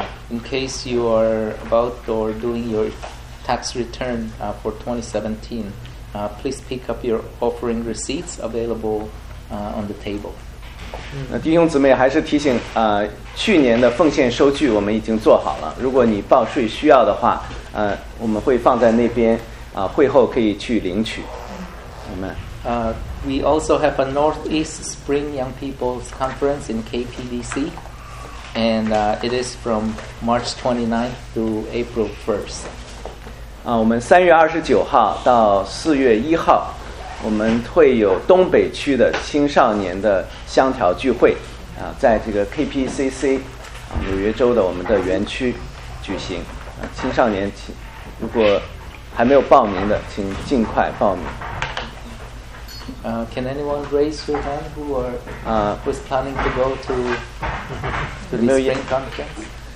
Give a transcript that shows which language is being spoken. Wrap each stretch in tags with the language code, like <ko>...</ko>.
<en>In case you are about or doing your tax return for 2017, please pick up your offering receipts available on the table.</en> <zh>弟兄姊妹还是提醒，去年的奉献收据我们已经做好了，如果你报税需要的话，我们会放在那边，会后可以去领取。</zh> <en>Amen. We also have a Northeast Spring Young People's Conference in KPDC, and it is from March 29th through April 1st.</en> <zh>我们3月29号到4月1号，我们会有东北区的青少年的乡调聚会，在这个 KPCC, 纽约州的我们的园区举行。青少年，如果还没有报名的，请尽快报名。</zh> <en>Can anyone raise your hand who are who's planning to go to the spring conference?</en>